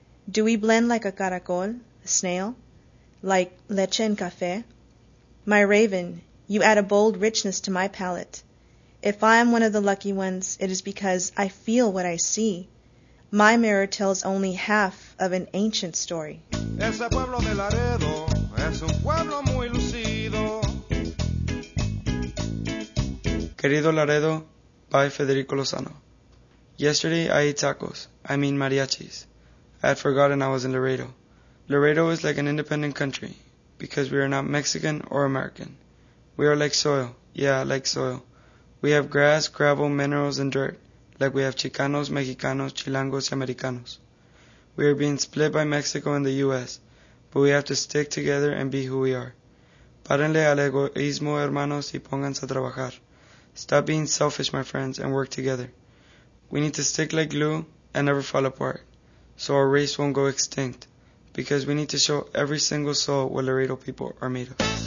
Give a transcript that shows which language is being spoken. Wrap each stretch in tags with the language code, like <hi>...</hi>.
<en>Do we blend like a caracol, a snail? Like</en> <es>leche en café?</es> <en>My raven, you add a bold richness to my palate. If I am one of the lucky ones, it is because I feel what I see. My mirror tells only half of an ancient story.</en> <es>Ese pueblo de Laredo es un pueblo muy lucido.</es> <en>Querido Laredo, by Federico Lozano. Yesterday I ate tacos, I mean mariachis. I had forgotten I was in Laredo. Laredo is like an independent country, because we are not Mexican or American. We are like soil, yeah, like soil. We have grass, gravel, minerals, and dirt, like we have Chicanos, Mexicanos, Chilangos,</en> <es>y Americanos.</es> <en>We are being split by Mexico and the U.S., but we have to stick together and be who we are.</en> <es>Párenle al egoísmo, hermanos, y pónganse a trabajar.</es> <en>Stop being selfish, my friends, and work together. We need to stick like glue and never fall apart, so our race won't go extinct, because we need to show every single soul what Laredo people are made of.</en>